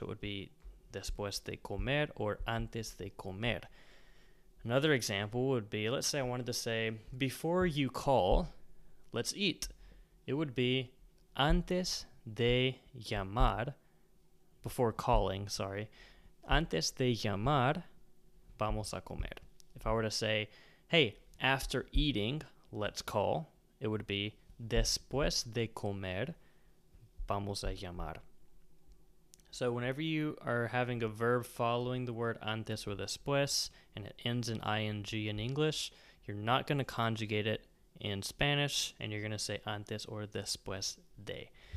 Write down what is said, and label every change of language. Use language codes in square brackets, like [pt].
[en] It would be [es] después de comer [en] or [es] antes de comer. [en] Another example would be, let's say I wanted to say, before you call, let's eat. It would be [es] antes de llamar, [en] before calling, sorry. [es] Antes de llamar, vamos a comer. [en] If I were to say, hey, after eating, let's call, it would be [es] después de comer, vamos a llamar. [en] So whenever you are having a verb following the word antes or después, and it ends in ing in English, you're not going to conjugate it in Spanish, and you're going to say antes or después de.